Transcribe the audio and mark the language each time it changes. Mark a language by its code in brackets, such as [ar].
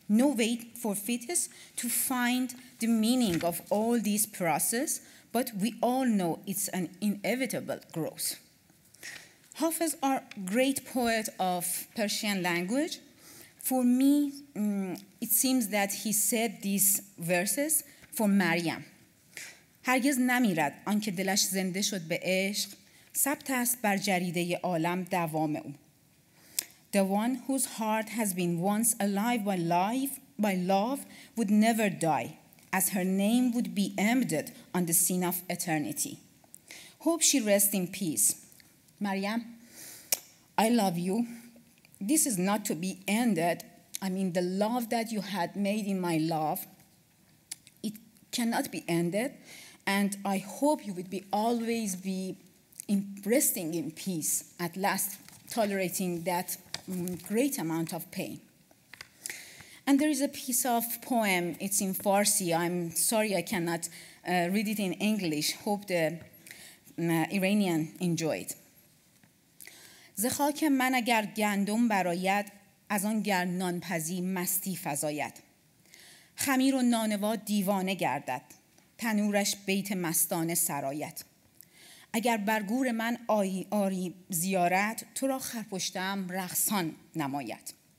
[en] No way for fetus to find the meaning of all this process, but we all know it's an inevitable growth. Hafez are great poet of Persian language. For me, it seems that he said these verses for Maryam. [fa] هرگز نمیرد آنکه دلش زنده شد به عشق ثبت است بر جریده عالم دوام او. [en] The one whose heart has been once alive by love would never die, as her name would be embedded on the scene of eternity. Hope she rests in peace. Maryam, I love you. This is not to be ended. I mean, the love that you had made in my love, it cannot be ended. And I hope you would be always be resting in peace, at last tolerating that great amount of pain. And there is a piece of poem, it's in Farsi. I'm sorry I cannot read it in English. Hope the Iranian enjoyed. [fa] زخاک من اگر گندم براید از آن گر نانپزی مستی فزاید. خمیر و نانوا دیوانه گردد. تنورش بیت مستانه سراید. اگر برگور من آری زیارت تو را خرپشتم رقصان نماید.